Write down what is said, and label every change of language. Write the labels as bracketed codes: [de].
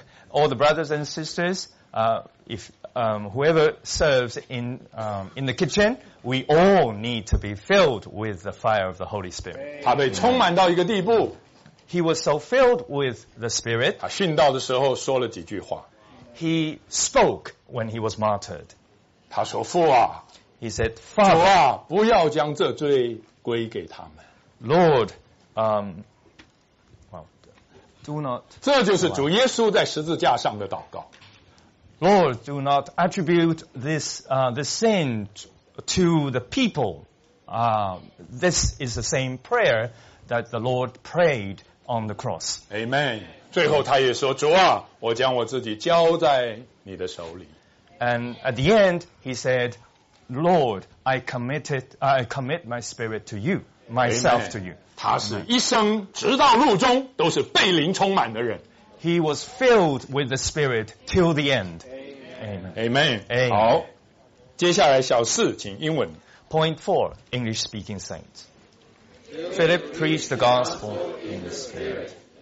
[en] All the brothers and sisters, whoever serves in the kitchen, we all need to be filled with the fire of the Holy Spirit. [zh] 他被充满到一个地步。 [en] He was so filled with the Spirit. [zh] 他殉道的时候说了几句话。 [en] He spoke when he was martyred. [zh] 他说父啊。 [en] He said, Father, [zh] 主啊，不要将这罪归给他们。 [en] Lord, do not. [zh] 这就是主耶稣在十字架上的祷告。 [en] Lord, do not attribute this sin to the people. This is the same prayer that the Lord prayed on the cross. Amen. [zh] 最后他也说，主啊，我将我自己交在你的手里。 [en] And at the end, he said, Lord, I commit my spirit to you, myself to you. [zh] 他是一生直到入终都是被灵充满的人。 [en] He was filled with the Spirit till the end. Amen. Amen. Amen. [zh] 好，接下来小四，请英文。 [en] Point four, English speaking saints. Philip preached the gospel in the Spirit.